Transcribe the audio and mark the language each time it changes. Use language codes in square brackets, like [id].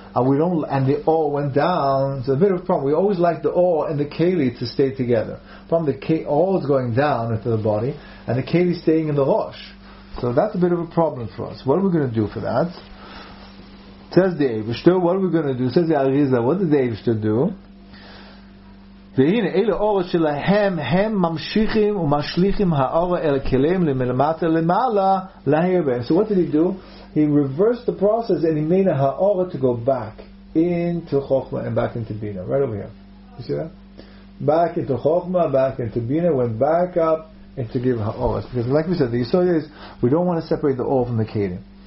[en] And the O went down. It's a bit of a problem. We always like the O and the Keli to stay together. From the O is going down into the body, and the Keli is staying in the Rosh. So that's a bit of a problem for us. What are we going to do for that? Says the Eivishter, what are we going to do? Says the Arizal, what did the Eivishter do? [he] והנה אלה אורות שלהם הם ממשיכים ומשליחים האורה אל הכלים למלמטה למעלה להיר בהם. [en] So what did he do? He reversed the process and he made האורה to go back into חוכמה and back into בינה. Right over here. You see that? Back into חוכמה, back into בינה, went back up and to give האורה. Because like we said, the issue is we don't want to separate the אור from the כלים.